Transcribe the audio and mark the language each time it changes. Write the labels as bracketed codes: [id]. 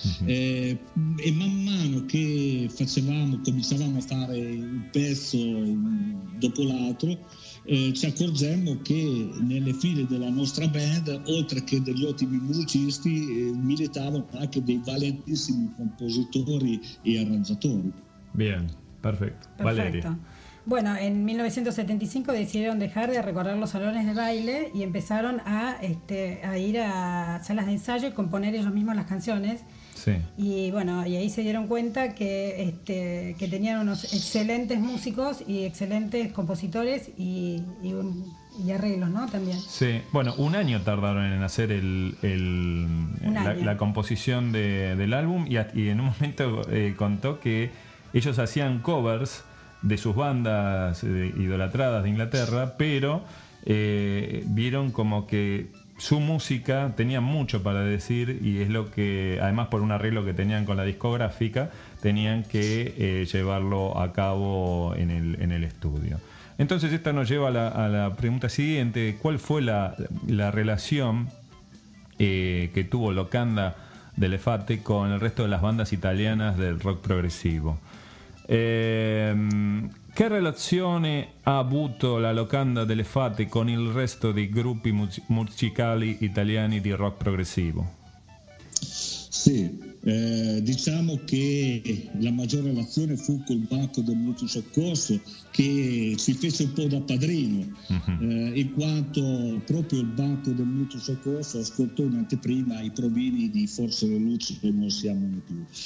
[it] E man mano che cominciavamo a fare un pezzo dopo l'altro, ci accorgemmo che nelle file della nostra band, oltre che degli ottimi musicisti, militavano anche dei valentissimi compositori e arrangiatori. [es] Bien, [it] perfetto. [es] Valeria. Bueno, en 1975 decidieron dejar de recorrer los salones de baile y empezaron a ir a salas de ensayo y componer ellos mismos las canciones. Sí. Y bueno, y ahí se dieron cuenta que tenían unos excelentes músicos y excelentes compositores y arreglos, ¿no? También. Sí. Bueno, un año tardaron en hacer la composición del álbum y en un momento contó que ellos hacían covers de sus bandas idolatradas de Inglaterra, pero vieron como que su música tenía mucho para decir, y es lo que, además por un arreglo que tenían con la discográfica, tenían que llevarlo a cabo en el estudio. Entonces esta nos lleva a la pregunta siguiente: ¿cuál fue la relación que tuvo Locanda de Lefate con el resto de las bandas italianas del rock progresivo? [it] Che relazione ha avuto la Locanda delle Fate con il resto dei gruppi musicali italiani di rock progressivo? Sì, diciamo che la maggior relazione fu col Banco del Mutuo Soccorso, che ci fece un po' da padrino, in quanto proprio il Banco del Mutuo Soccorso ascoltò in anteprima i provini di Forse le Luci e Non Siamo Più.